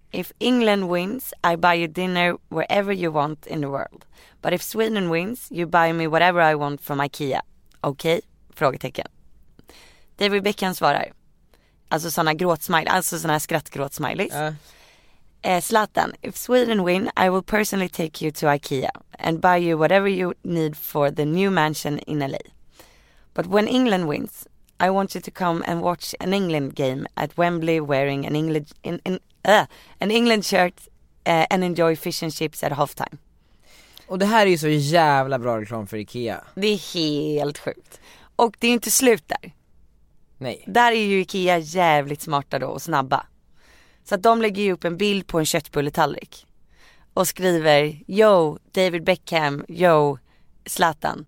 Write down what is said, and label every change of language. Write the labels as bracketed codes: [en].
[en] If England wins, I buy you dinner wherever you want in the world. But if Sweden wins, you buy me whatever I want from IKEA. [sv] Okej? Okay? Frågetecken. David Beckham svarar. Alltså såna gråtsmiley, alltså såna här skrattgråtsmileys. [en] Zlatan, if Sweden win, I will personally take you to IKEA and buy you whatever you need for the new mansion in LA. But when England wins, I want you to come and watch an England game at Wembley wearing an England shirt and enjoy fish and chips at halftime." [sv] Och det här är ju så jävla bra reklam för IKEA. Det är helt sjukt. Och det är inte slut där. Nej. Där är ju IKEA jävligt smarta då och snabba. Så att de lägger ju upp en bild på en köttbulletallrik och skriver: [en] "Yo, David Beckham, yo, Zlatan.